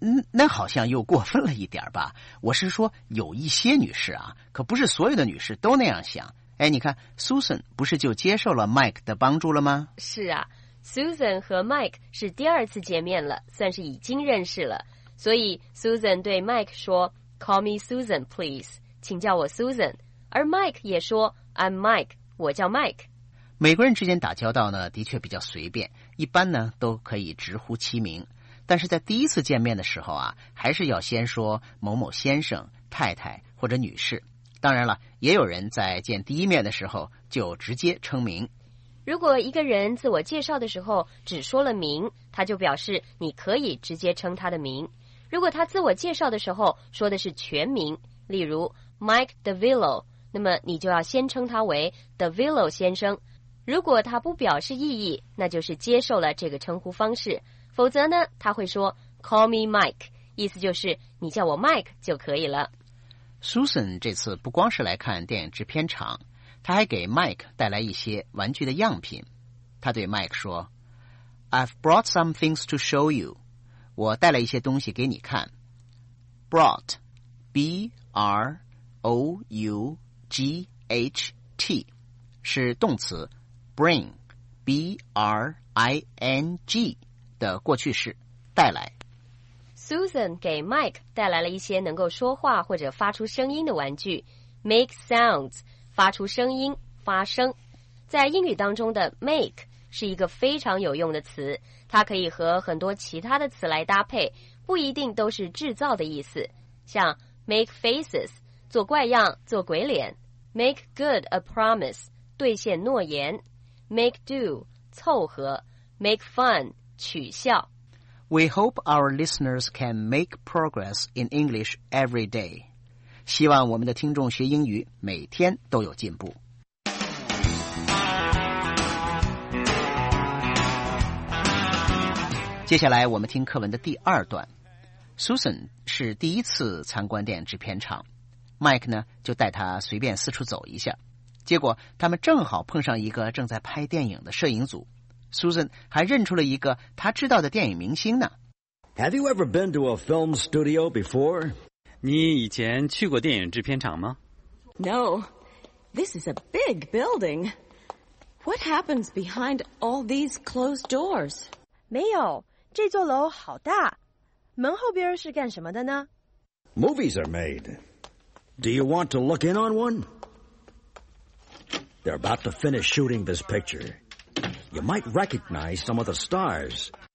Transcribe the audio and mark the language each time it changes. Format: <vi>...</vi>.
<zh>那好像又过分了一点吧。我是说有一些女士啊，可不是所有的女士都那样想。哎，你看 Susan 不是就接受了 Mike 的帮助了吗？是啊， Susan 和 Mike 是第二次见面了，算是已经认识了。所以 Susan 对 Mike 说</zh> <en>Call me Susan please，</en> <zh>请叫我 Susan。而 Mike 也说</zh> <en>I'm Mike，</en> <zh>我叫 Mike。美国人之间打交道呢的确比较随便，一般呢都可以直呼其名，但是在第一次见面的时候啊，还是要先说某某先生、太太或者女士。当然了，也有人在见第一面的时候就直接称名。如果一个人自我介绍的时候只说了名，他就表示你可以直接称他的名。如果他自我介绍的时候说的是全名，例如 Mike DeVillo， 那么你就要先称他为 DeVillo 先生。如果他不表示异议，那就是接受了这个称呼方式。否则呢，他会说</zh> <en>Call me Mike，</en> <zh>意思就是你叫我 Mike 就可以了。 Susan 这次不光是来看电影制片厂，他还给 Mike 带来一些玩具的样品。他对 Mike 说</zh> <en>I've brought some things to show you，</en> <zh>我带了一些东西给你看。 Brought B-R-O-U-G-H-T 是动词 Bring B-R-I-N-G的过去式，带来。 Susan 给 Mike 带来了一些能够说话或者发出声音的玩具，</zh> <en>make sounds</en> <zh>发出声音，发声。在英语当中的 make 是一个非常有用的词，它可以和很多其他的词来搭配，不一定都是制造的意思，像</zh> <en>make faces</en> <zh>做怪样，做鬼脸，</zh> <en>make good a promise</en> <zh>兑现诺言，</zh> <en>make do</en> <zh>凑合，</zh> <en>make fun</en> <zh>取笑。</zh> <en>We hope our listeners can make progress in English every day.</en> <zh>希望我们的听众学英语每天都有进步。接下来我们听课文的第二段。Susan 是第一次参观电影制片厂， Mike 呢就带他随便四处走一下，结果他们正好碰上一个正在拍电影的摄影组。 Susan 还认出了一个他知道的电影明星呢。</zh> <en>Have you ever been to a film studio before?</en> <zh>你以前去过电影制片厂吗？</zh> <en>No, this is a big building. What happens behind all these closed doors?</en> <zh>没有，这座楼好大，门后边是干什么的呢？</zh> <en>Movies are made. Do you want to look in on one? They're about to finish shooting this picture. You might recognize some of the stars.</en>